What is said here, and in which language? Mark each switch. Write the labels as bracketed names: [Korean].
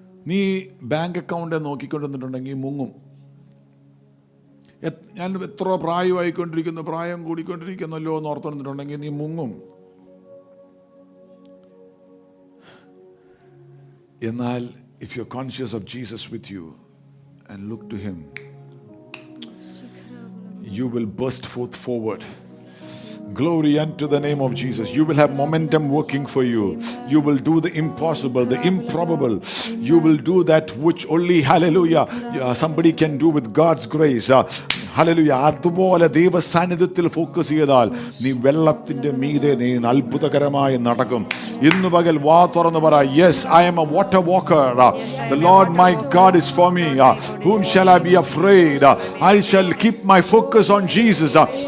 [Malayalam] നീ bank account നോക്കിക്കൊണ്ടിരുന്നിട്ടുണ്ടെങ്കിൽ മുങ്ങും. ഞാൻ എത്ര പ്രായമായിക്കൊണ്ടിരിക്കുന്നു, പ്രായം കൂടിക്കൊണ്ടിരിക്കുന്നല്ലോ എന്ന് ഓർത്തുകൊണ്ടിരുന്നിട്ടുണ്ടെങ്കിൽ നീ മുങ്ങും. [English] എന്നാൽ if you are conscious of Jesus with you and look to him, you will burst forth forward. Glory unto the name of Jesus. You will have momentum working for you. You will do the impossible, the improbable. You will do that which only, hallelujah, somebody can do with God's grace. [Malayalam] ഹല്ലേലൂയാ. അതുപോലെ ദൈവസാന്നിധ്യത്തിൽ focus ചെയ്താൽ നീ വെള്ളത്തിന്റെ മീതെ നീ അത്ഭുതകരമായി നടക്കും. ഇന്ന് പകൽ വാ തുറന്ന് പറ, [English] Yes I am a water walker, the Lord my God is for me, whom shall I be afraid, I shall keep my focus on Jesus.